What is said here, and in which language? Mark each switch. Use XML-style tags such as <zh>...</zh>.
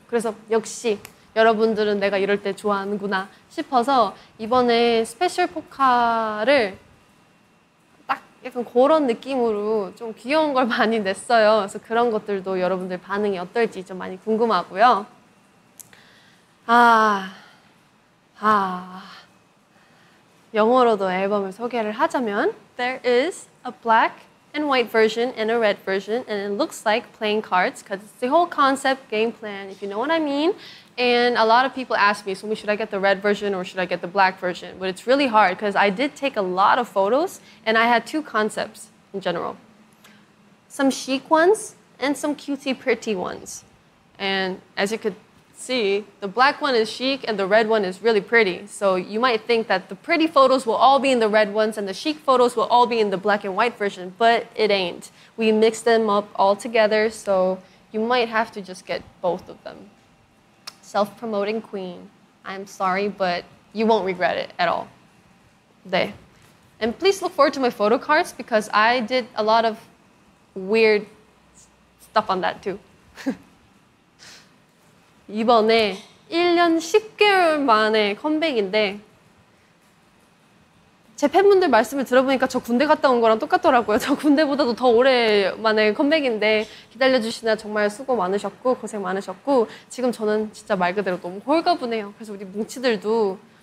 <ko>그래서 역시 여러분들은 내가 이럴 때 좋아하는구나 싶어서 이번에 스페셜 포카를 약간 그런 느낌으로 좀 귀여운 걸 많이 냈어요. 그래서 그런 것들도 여러분들 반응이 어떨지 좀 많이 궁금하고요. 영어로도 앨범을 소개를 하자면</ko> <en>There is a black and white version and a red version and it looks like playing cards because it's the whole concept game plan if you know what I mean. And a lot of people ask me, Sumi, should I get the red version or should I get the black version? But it's really hard because I did take a lot of photos and I had two concepts in general. Some chic ones and some cutesy pretty ones. And as you could see, the black one is chic and the red one is really pretty. So you might think that the pretty photos will all be in the red ones and the chic photos will all be in the black and white version, but it ain't. We mixed them up all together, so you might have to just get both of them. Self-promoting queen. I'm sorry, but you won't regret it at all.</en> <ko>네.</ko> <en>And please look forward to my photo cards because I did a lot of weird stuff on that too.</en> <ko>이번에 1년 10개월 만에 컴백인데 제 팬분들 말씀을 들어보니까 저 군대 갔다 온 거랑 똑같더라고요. 저 군대보다도 더 오랜만에 컴백인데 기다려주시느라 정말 수고 많으셨고 고생 많으셨고 지금 저는 진짜 말 그대로 너무 홀가분해요. 그래서 우리 뭉치들도</ko>